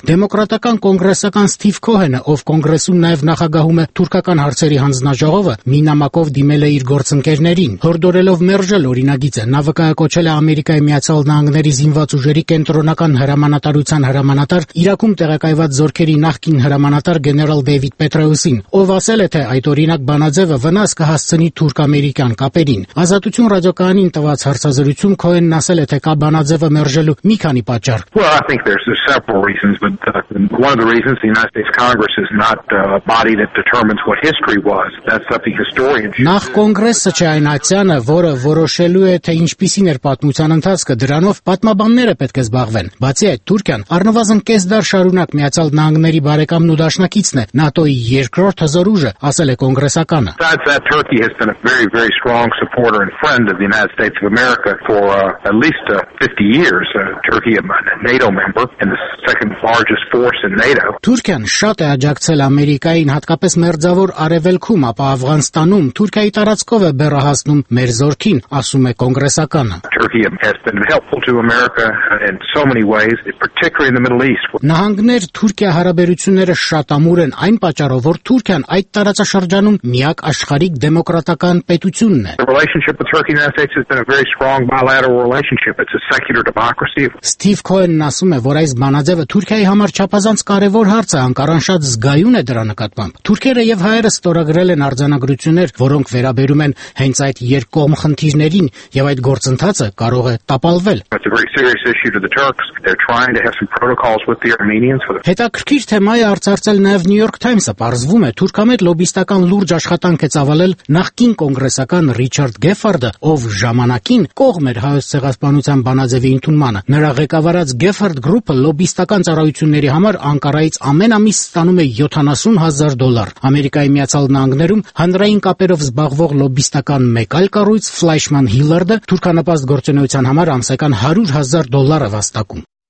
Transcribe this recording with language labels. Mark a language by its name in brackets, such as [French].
[Armenian] Դեմոկրատական կոնգրեսական Սթիվ Քոհենը, ով կոնգրեսում նաև նախագահում է թուրքական հարցերի հանձնաժողովը, մի նամակով դիմել է իր գործընկերներին, հորդորելով մերժել օրինագիծը։ Նա վկայակոչել է Ամերիկայի Միացյալ Նահանգների զինված ուժերի կենտրոնական հրամանատարության հրամանատար, Իրաքում տեղակայված զորքերի նախկին հրամանատար գեներալ Դեյվիդ Պետրոյուսին, ով ասել է, թե այդ օրինակ բանաձևը վնաս կհասցնի թուրք-ամերիկյան կապերին։ Ազատություն ռադիոկայանին տված հարցազրույցում Քոհեն նասել է, թե կա բանաձևը մերժելու մի քանի պատճառ։ [English] Well, I think there's several reasons, but one of the reasons the United States Congress is not a body that determines what history was. That's something historians should. [Armenian] Նախ կոնգրեսը չէ այն ացանը, որը որոշելու է, թե ինչպիսին էր պատմության ընթացքը, դրանով պատմաբանները պետք է զբաղվեն։ Բացի այդ, Թուրքիան առնվազն կես դար շարունակ Միացյալ Նահանգների բարեկամն ու դաշնակիցն է, ՆԱՏՕ-ի երկրորդ հզոր ուժը, ասել է կոնգրեսականը։ [English] Turkey has been a very, very strong supporter and friend of the United States of America for at least 50 years Turkey a NATO member and the second largest force in NATO [Armenian] Թուրքիան շատ է աջակցել Ամերիկային հատկապես մերձավոր արևելքում ապա Աֆղանստանում Թուրքիայի տարածքով է բեռահասնում մեր զորքին ասում է կոնգրեսականը [English] Turkey has been helpful to America in so many ways particularly in the Middle East [Armenian] Նահանգներ Թուրքիա հարաբերությունները շատ ամուր են այն պատճառով որ Թուրքիան այդ տարածաշրջանում միակ աշխարհիկ դեմոկրատական պետությունն է [English] The relationship with Turkey and the United States has been a very strong bilateral relationship it's a secular democracy [Armenian] Steve Cohen ասում է որ այս բանաձևը Թուրքիայի համար չափազանց կարևոր հարց է Անկարան շատ զգայուն է դրա նկատմամբ Թուրքերը եւ հայերը ստորագրել են արձանագրություններ որոնք վերաբերում են հենց այդ երկկողմ խնդիրներին եւ այդ գործընթացը կարող է տապալվել [English] It's a very serious issue to the Turks they're trying to have some protocols with the Armenians for the [Armenian] Հետաքրքիր թեմա է արձարծել նաեւ New York Times-ը պարզվում է Թուրքամետ լոբիստական լուրջ աշխատանք է ծավալել նախկին կոնգրեսական Ռիչարդ Գեֆարդը ով ժամանակին կողմ էր հայոց ցեղասպանության բանաձևի ընդունմանը նրա ղեկավարած Gefford Group-ը լոբիստական ծառայության գործողությունների համար Անկարայից ամեն ամիս ստանում է 70,000 դոլար։ Ամերիկայի Միացյալ Նահանգներում հանրային կապերով զբաղվող լոբիստական մեկ այլ կառույց Fleischmann Hillard-ը թուրքանապաստ գործունեության համար ամսական 100,000 դոլար է վաստակում։